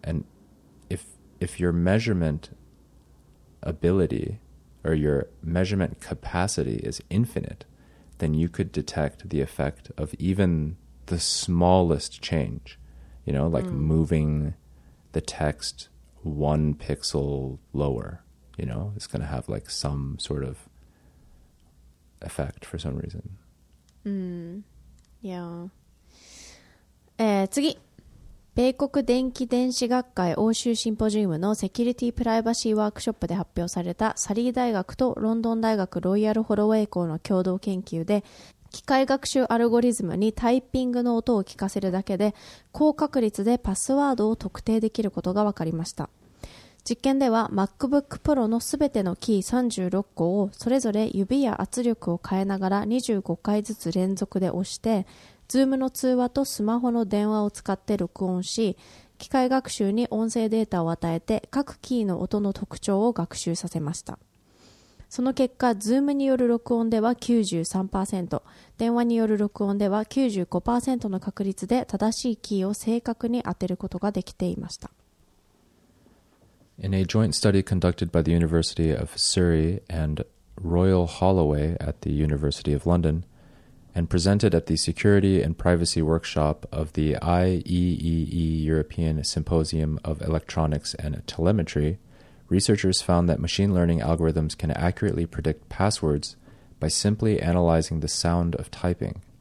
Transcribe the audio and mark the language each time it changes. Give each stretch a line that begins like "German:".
English: And if your measurement ability or your measurement capacity is infinite, then you could detect the effect of even the smallest change. You know, like moving the text 1 pixel lower, you know, it's going to have like some sort of effect for some reason. Yeah.
Japanese: 次。米国電気電子学会欧州シンポジウムのセキュリティプライバシーワークショップで発表されたサリー大学とロンドン大学ロイヤルホロウェイ校の共同研究で、機械学習アルゴリズムにタイピングの音を聞かせるだけで高確率でパスワードを特定できることが分かりました。実験では MacBook Pro のすべてのキー36個をそれぞれ指や圧力を変えながら25回ずつ連続で押して、ズームの通話とスマホの電話を使って録音し、機械学習に音声データを与えて各キーの音の特徴を学習させました。その結果、ズームによる録音では 93%、電話による録音では 95% の確率で正しいキーを正確に当てることができていました。
English: In a joint study conducted by the University of Surrey and Royal Holloway at the University of London,and presented at the Security and Privacy Workshop of the IEEE European Symposium of Electronics and Telemetry, researchers found that machine learning algorithms can accurately predict passwords by simply analyzing the sound of typing.